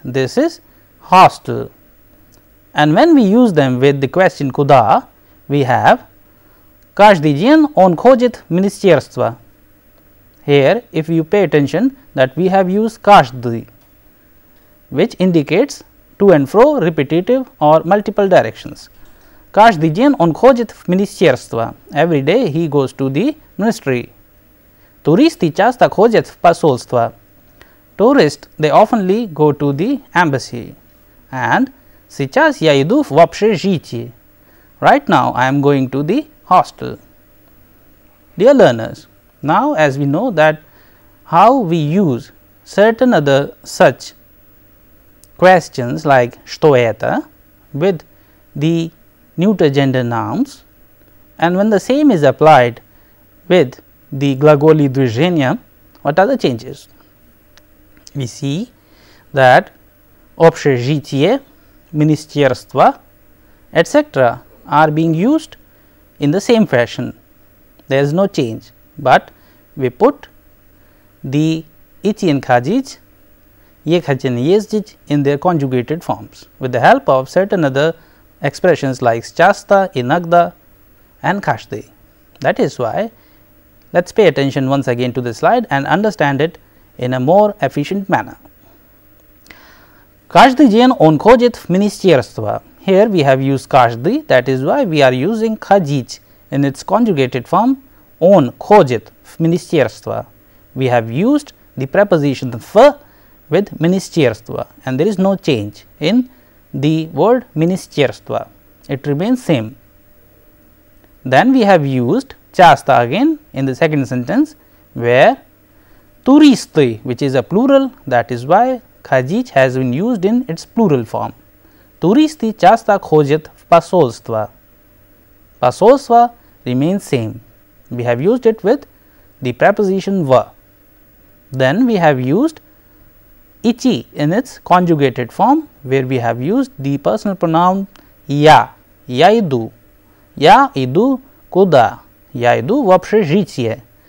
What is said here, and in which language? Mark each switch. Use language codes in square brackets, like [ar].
[en] This is hostel. And when we use them with the question [ru] куда, [en] we have [ru] каждый день он ходит в министерство. [en] Here, if you pay attention, that we have used каждый, which indicates to and fro, repetitive or multiple directions. [ru] Каждый день он ходит в министерство. [en] Every day he goes to the ministry. [ru] Туристы часто ходят в посольство. [en] Tourists, they oftenly go to the embassy. And [ru] сейчас я иду в общежитие. [en] Right now, I am going to the hostel. Dear learners, now as we know that how we use certain other such questions like [ru] что это [en] with the neuter gender nouns, and when the same is applied with the [ru] глаголи движения, [en] what are the changes? We see that общежитие, министерство, etc. are being used in the same fashion. There is no change, but we put the [ru] ичен хадзич, ехачен ездзич [en] in their conjugated forms with the help of certain other expressions like [ru] часто, иногда [en] and каждый. That is why, let us pay attention once again to the slide and understand it in a more efficient manner. [ru] Каждый день он ходит в министерство. [en] Here we have used каждый, that is why we are using ходить in its conjugated form. [ru] Он ходит в министерство. [en] We have used the preposition в with министерство, and there is no change in the word министерство. It remains same. Then we have used часто again in the second sentence, where туристы, which is a plural, that is why ходить has been used in its plural form. [ru] Туристы часто ходят в посольство. [en] Посольство remains same. We have used it with the preposition в. Then we have used [ru] ичи [en] in its conjugated form, where we have used the personal pronoun я. [ru] Я иду. Я иду куда? Я иду в общежитие.